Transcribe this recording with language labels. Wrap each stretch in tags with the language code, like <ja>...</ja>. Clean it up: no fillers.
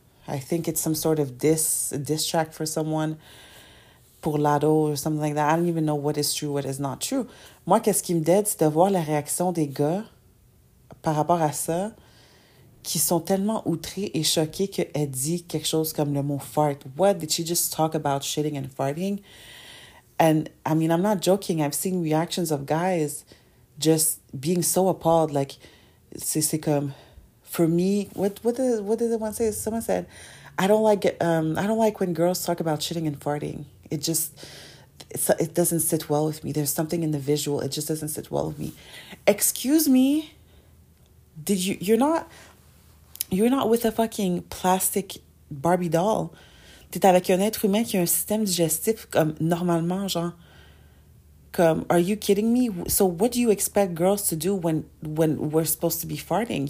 <en>I think it's some sort of diss track for someone, pour Lado or something like that. I don't even know what is true, what is not true.</en> <fr>Moi, qu'est-ce qui me dead, c'est de voir la réaction des gars par rapport à ça, qui sont tellement outrés et choqués qu'elle dit quelque chose comme le mot fart.</fr> <en>What? Did she just talk about shitting and farting? And, I mean, I'm not joking. I've seen reactions of guys just being so appalled. Like,</en> <fr>c'est comme,</fr> <en>for me, what did the one say? Someone said, I don't like when girls talk about shitting and farting. It doesn't sit well with me. There's something in the visual. It just doesn't sit well with me. Excuse me. You're not with a fucking plastic Barbie doll.</en> <fr>T'es avec un être humain qui a un système digestif comme normalement, genre. Comme,</fr> <en>are you kidding me? So what do you expect girls to do when we're supposed to be farting?</en>